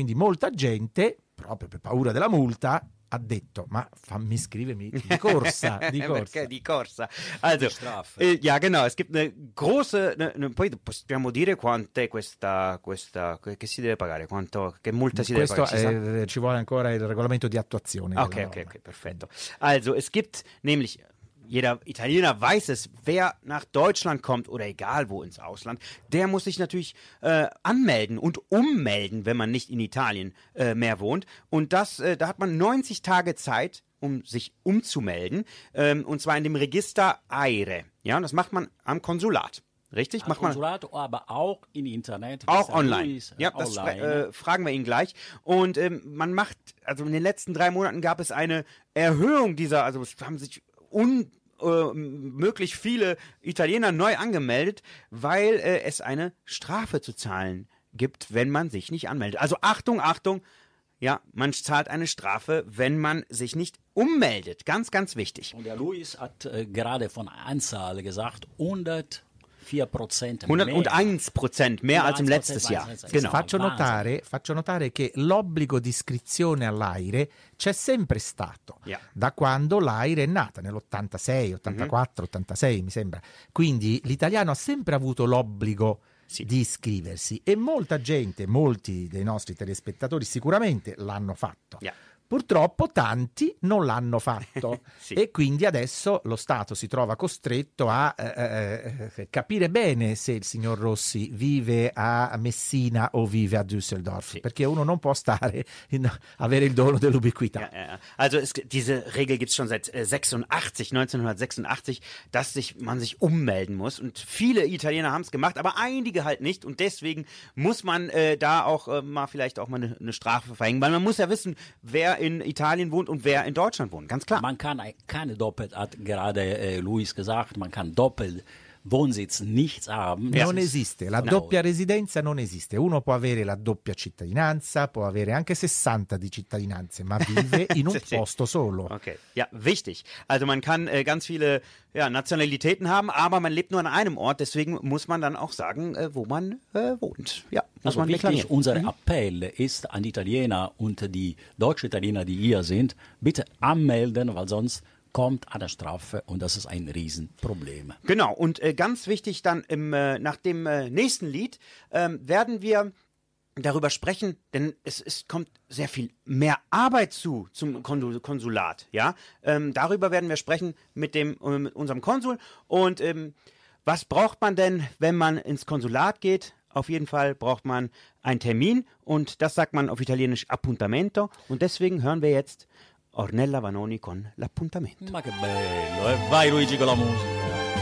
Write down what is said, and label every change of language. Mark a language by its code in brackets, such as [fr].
[it] Quindi molta gente, proprio per paura della multa, ha detto: ma fammi iscrivermi di corsa, di corsa. Perché di corsa? [de] Also, ja, genau, es gibt eine große, [it] poi possiamo dire quant'è questa che si deve pagare, che multa si deve questo pagare? Questo ci vuole ancora il regolamento di attuazione. Ok, perfetto. [de] Also, es gibt nämlich... Jeder Italiener weiß es, wer nach Deutschland kommt oder egal wo ins Ausland, der muss sich natürlich anmelden und ummelden, wenn man nicht in Italien mehr wohnt. Und das, da hat man 90 Tage Zeit, um sich umzumelden, und zwar in dem Register AIRE. Ja, und das macht man am Konsulat. Richtig? Am Konsulat, aber auch im Internet. Auch online. Ja, das fragen wir ihn gleich. Und man macht, also in den letzten 3 Monaten gab es eine Erhöhung dieser, also haben sich unmöglich viele Italiener neu angemeldet, weil es eine Strafe zu zahlen gibt, wenn man sich nicht anmeldet. Also Achtung, ja, man zahlt eine Strafe, wenn man sich nicht ummeldet. Ganz, ganz wichtig. Und der Luis hat gerade von Anzahl gesagt, 104% mehr. 101% mehr als im letztes Jahr. Genau. [it] Faccio notare che l'obbligo di iscrizione all'AIRE c'è sempre stato, yeah, da quando l'AIRE è nata, nell'86, 84, 86 mi sembra. Quindi l'italiano ha sempre avuto l'obbligo, sì, di iscriversi e molta gente, molti dei nostri telespettatori sicuramente l'hanno fatto. Yeah. purtroppo tanti non l'hanno fatto. Sì. E quindi adesso lo Stato si trova costretto a capire bene se il signor Rossi vive a Messina o vive a Düsseldorf. Sì. Perché uno non può stare in, avere il dono dell'ubiquità. [de] Ja, ja. Also es, diese Regel gibt es schon seit 1986, dass sich man sich ummelden muss. Und viele Italiener haben es gemacht, aber einige halt nicht. Und deswegen muss man da auch mal vielleicht auch mal eine Strafe verhängen. Weil man muss ja wissen, wer in Italien wohnt und wer in Deutschland wohnt, ganz klar. Man kann keine doppelt, hat gerade Luis gesagt, man kann doppelt Wohnsitz nichts haben. [it] Das non esiste, la doppia residenza non esiste. Uno può avere la doppia cittadinanza, può avere anche 60 di cittadinanze, ma vive in un posto solo. [de] Okay, ja, wichtig. Also man kann ganz viele ja, Nationalitäten haben, aber man lebt nur an einem Ort, deswegen muss man dann auch sagen, wo man wohnt. Ja, also man wichtig, deklariert. Unser Appell ist an die Italiener und die deutsche Italiener, die hier sind, bitte anmelden, weil sonst kommt an der Strafe und das ist ein Riesenproblem. Genau, und ganz wichtig dann im, nach dem nächsten Lied werden wir darüber sprechen, denn es kommt sehr viel mehr Arbeit zum Konsulat. Ja? Darüber werden wir sprechen mit dem mit unserem Konsul. Und was braucht man denn, wenn man ins Konsulat geht? Auf jeden Fall braucht man einen Termin und das sagt man auf Italienisch Appuntamento. Und deswegen hören wir jetzt Ornella Vanoni con l'appuntamento. [it] Ma che bello, e vai Luigi con la musica.